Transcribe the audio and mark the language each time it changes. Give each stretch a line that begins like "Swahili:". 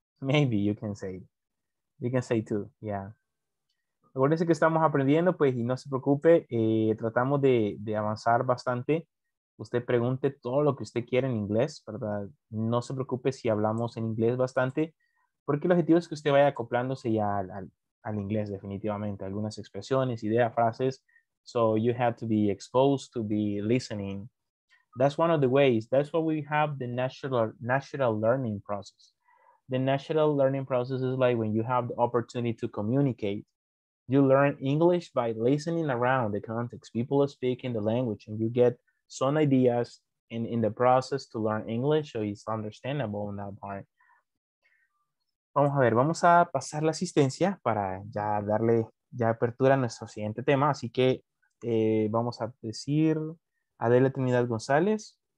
English: Maybe you can say. You can say too, yeah.
Spanish: Acuérdense que estamos aprendiendo, pues, y no se preocupe, tratamos de avanzar bastante. Usted pregunte todo lo que usted quiera en inglés, ¿verdad? No se preocupe si hablamos en inglés bastante, porque el objetivo es que usted vaya acoplándose ya al inglés definitivamente. Algunas expresiones, ideas, frases.
English: So you have to be exposed to be listening. That's one of the ways. That's why we have the natural learning process. The natural learning process is like when you have the opportunity to communicate. You learn English by listening around the context. People speak in the language and you get some ideas in the process to learn English, so it's understandable in that part.
Spanish: Vamos a ver, vamos a pasar la asistencia para ya darle ya apertura a nuestro siguiente tema. Así que vamos a decir Adela Trinidad González.